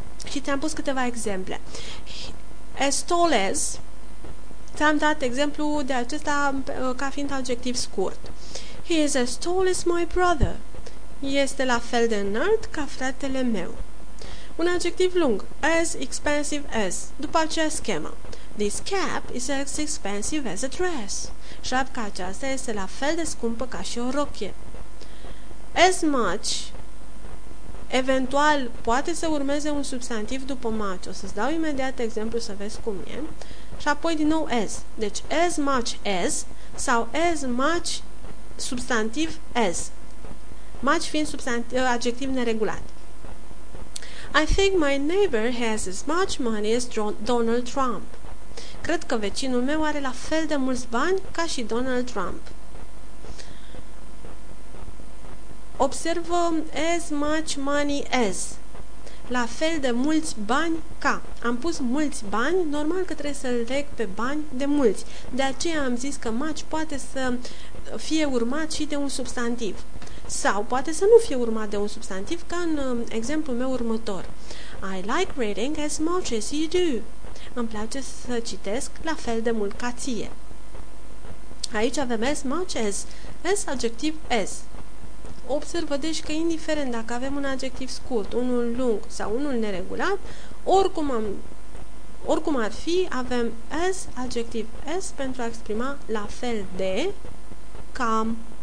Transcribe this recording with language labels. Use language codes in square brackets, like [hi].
[ro] Și ți-am pus câteva exemple. [en] As tall as, [ro] ți-am dat exemplu de acesta ca fiind adjectiv scurt. [en] He is as tall as my brother. [ro] Este la fel de înalt ca fratele meu. Un adjectiv lung. [en] As expensive as. [ro] După aceea schema. [en] This cap is as expensive as a dress. [ro] Șapca aceasta este la fel de scumpă ca și o rochie. [en] As much. [ro] Eventual, poate să urmeze un substantiv după much. O să-ți dau imediat exemplu să vezi cum e. Și apoi din nou as. Deci as much as sau as much substantiv as. Much fiind adjectiv neregulat. [en] I think my neighbor has as much money as Donald Trump. [ro] Cred că vecinul meu are la fel de mulți bani ca și Donald Trump. Observă [en] as much money as. [ro] La fel de mulți bani ca. Am pus mulți bani, normal că trebuie să-l leg pe bani de mulți. De aceea am zis că much poate să fie urmat și de un substantiv. Sau poate să nu fie urmat de un substantiv, ca în exemplul meu următor. [en] I like reading as much as you do. [ro] Îmi place să citesc la fel de mult ca ție. Aici avem as much as. As adjectiv as. Observă, deci, că indiferent dacă avem un adjectiv scurt, unul lung sau unul neregulat, oricum ar fi, avem as, adjectiv as, pentru a exprima la fel de, cam.